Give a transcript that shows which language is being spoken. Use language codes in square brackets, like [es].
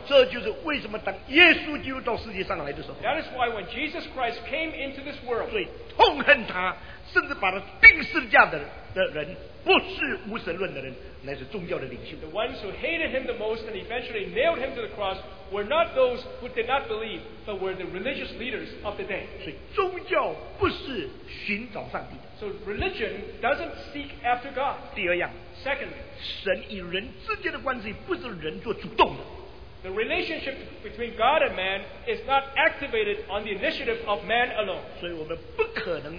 [zh] 这就是为什么当耶稣基督到世界上来的时候, [en] that is why when Jesus Christ came into this world, [zh] 最痛恨他, 甚至把他钉十字架的人, 不是无神论的人, 乃是宗教的领袖, [en] the ones who hated him the most and eventually nailed him to the cross were not those who did not believe, but were the religious leaders of the day. [zh] 所以宗教不是寻找上帝的, [en] so religion doesn't seek after God. [zh] 第二样, [en] secondly, [zh] 神与人之间的关系不是人做主动的, [en] the relationship between God and man is not activated on the initiative of man alone.